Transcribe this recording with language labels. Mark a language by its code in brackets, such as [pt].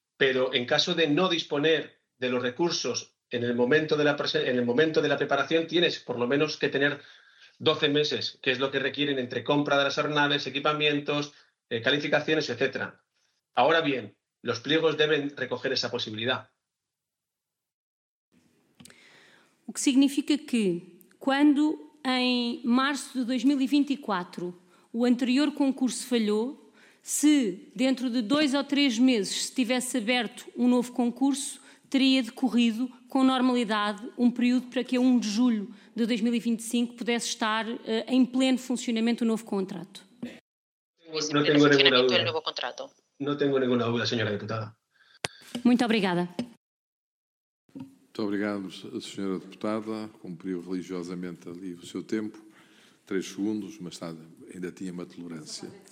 [es] Pero en caso de no disponer de los recursos en el momento de la preparación, tienes por lo menos que tener 12 meses, que es lo que requieren entre compra de las aeronaves, equipamientos, calificaciones, etc. Ahora bien, los pliegos deben recoger esa posibilidad. [pt] O que significa que, quando em março de 2024 o anterior concurso falhou, se dentro de 2 ou 3 meses se tivesse aberto um novo concurso, teria decorrido com normalidade um período para que a 1 de julho de 2025 pudesse estar em pleno funcionamento o novo contrato? [es] funcionamento del nuevo contrato. No tengo ninguna duda, señora diputada. [pt] Muito obrigada. Muito obrigado, senhora deputada. Cumpriu religiosamente ali o seu tempo. 3 segundos, mas ainda tinha uma tolerância.